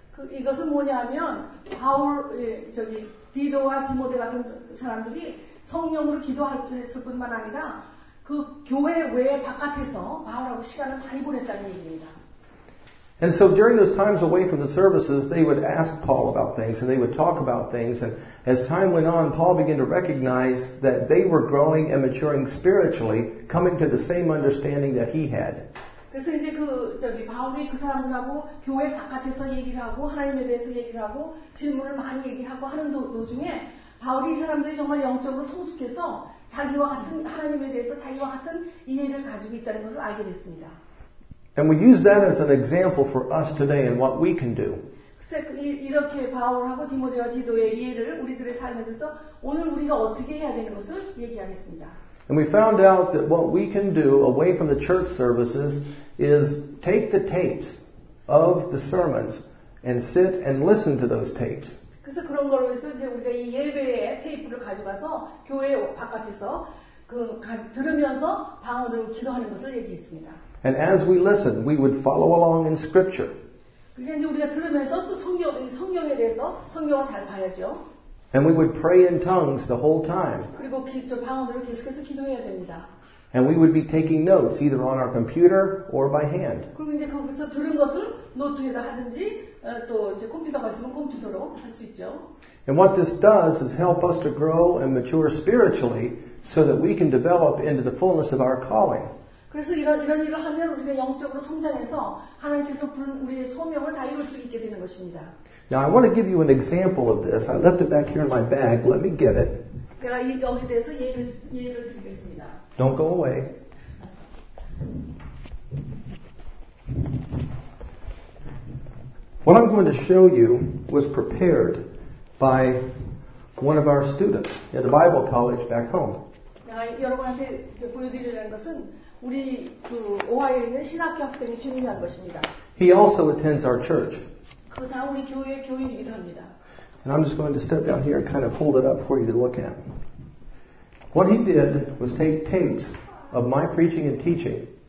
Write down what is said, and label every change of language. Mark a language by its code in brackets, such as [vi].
[ko] 이것은 뭐냐면 바울 저기 디도와 디모데 같은 사람들이 성령으로 기도할 뿐만 아니라 그 교회 외에 바깥에서 바울하고 시간을 많이 보냈다는 얘기입니다. [en] And so during those times away from the services, they would ask Paul about things and they would talk about things. And as time went on, Paul began to recognize that they were growing and maturing spiritually, coming to the same understanding that he had. [ko] 그래서 이제 바울이 그 사람하고 교회 바깥에서 얘기를 하고 하나님에 대해서 얘기를 하고 질문을 많이 얘기하고 하는 도중에 바울이 이 사람들이 정말 영적으로 성숙해서 자기와 같은 하나님에 대해서 자기와 같은 이해를 가지고 있다는 것을 알게 됐습니다. [en] And we use that as an example for us today and what we can do. [ko] 이렇게 바울하고 디모데와 디도의 이해를 우리들의 삶에서 오늘 우리가 어떻게 해야 되는 것을 얘기하겠습니다. [en] And we found out that what we can do away from the church services is take the tapes of the sermons and sit and listen to those tapes. [ko] 그래서 그런 걸 위해서 이제 우리가 이 예배의 테이프를 가져가서 교회 바깥에서 들으면서 방언으로 기도하는 것을 얘기했습니다. [en] And as we listen, we would follow along in Scripture. [ko] 그게 이제 우리가 들으면서 또 성경에 대해서 성경을 잘 봐야죠. [en] And we would pray in tongues the whole time. [ko] 그리고 방언으로 계속해서 기도해야 됩니다. [en] And we would be taking notes either on our computer or by hand. [ko] 그리고 이제 거기서 들은 것을 노트에다 하든지 또 이제 컴퓨터가 있으면 컴퓨터로 할 수 있죠. [en] And what this does is help us to grow and mature spiritually so that we can develop into the fullness of our calling. [ko] 그래서 이런 일을 하면 우리가 영적으로 성장해서 하나님께서 부른 우리의 소명을 다 이룰 수 있게 되는 것입니다. [en] Now I want to give you an example of this. I left it back here in my bag. Let me get it. [ko] 제가 여기 대해서 예를 드리겠습니다. [en] Don't go away. What I'm going to show you was prepared by one of our students at the Bible college back home. [ko] 제가 여러분한테 보여드리려는 것은 우리 오하이오에 있는 신학교 학생이 준비한 것입니다. [en] He also attends our church. [ko] 그 다 우리 교회의 교인이기도 합니다. [en] And I'm just going to step down here and kind of hold it up for you to look at. What he did was take tapes of my preaching and teaching.